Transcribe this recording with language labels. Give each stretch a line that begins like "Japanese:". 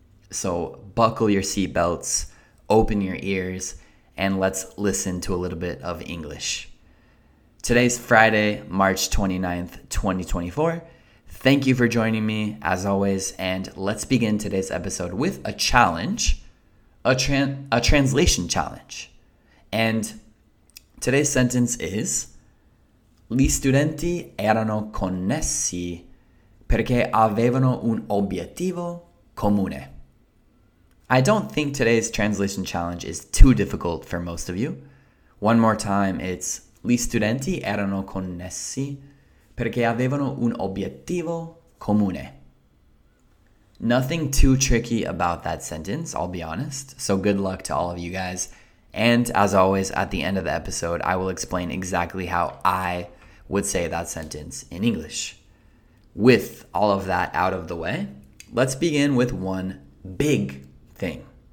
English: So buckle your seatbelts, open your ears, and let's listen to a little bit of English. Today's Friday, March 29th, 2024. Thank you for joining me, as always, and let's begin today's episode with a challenge, a translation challenge. And today's sentence is,
Italian: gli studenti erano connessi perché avevano un obiettivo comune.
English: I don't think today's translation challenge is too difficult for most of you. One more time, it's
Italian: gli studenti erano connessi perché avevano un obiettivo comune.
English: Nothing too tricky about that sentence, I'll be honest. So good luck to all of you guys. And as always, at the end of the episode, I will explain exactly how I would say that sentence in English. With all of that out of the way, let's begin with one big thing.